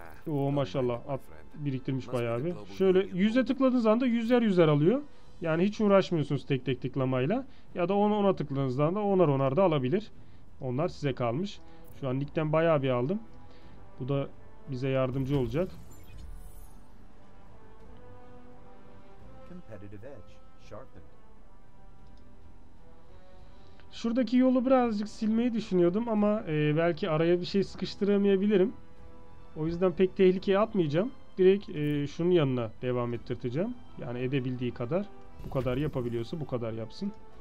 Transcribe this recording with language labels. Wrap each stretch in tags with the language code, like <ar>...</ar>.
<tr>Oo maşallah, biriktirmiş bayağı bir. Şöyle 100'e tıkladığınız anda 100'er 100'er alıyor. Yani hiç uğraşmıyorsunuz tek tek tıklamayla. Ya da 10'a tıkladığınızdan da 10'ar 10'ar da alabilir. Onlar size kalmış. Şu an Nick'ten bayağı bir aldım. Bu da bize yardımcı olacak.</tr> <en>Competitive edge sharpened.</en> <tr>Şuradaki yolu birazcık silmeyi düşünüyordum ama belki araya bir şey sıkıştıramayabilirim. O yüzden pek tehlikeye atmayacağım. Direkt şunun yanına devam ettireceğim. Yani edebildiği kadar, bu kadar yapabiliyorsa bu kadar yapsın.</tr>